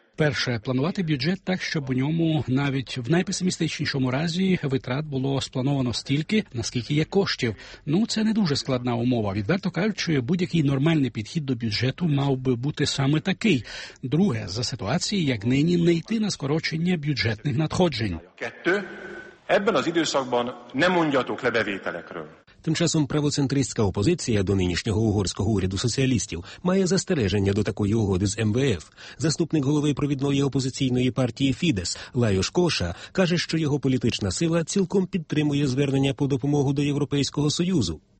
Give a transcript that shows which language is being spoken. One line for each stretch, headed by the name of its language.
Ukrainian: Перше, планувати бюджет так, щоб у ньому навіть в найпесимістичнішому разі витрат було сплановано стільки, наскільки є коштів. Ну, це не дуже складна умова. Відверто кажучи, будь-який нормальний підхід до бюджету мав би бути саме такий. Друге, за ситуації, як нині, не йти на скорочення бюджетних надходжень.
Hungarian: Кетто, ebben az időszakban ne mondjatok le bevételekről.
Ukrainian: Тим часом правоцентристська опозиція до нинішнього угорського уряду соціалістів має застереження до такої угоди з МВФ. Заступник голови провідної опозиційної партії Фідес Лайош Коша каже, що його політична сила цілком підтримує звернення по допомогу до Європейського Союзу.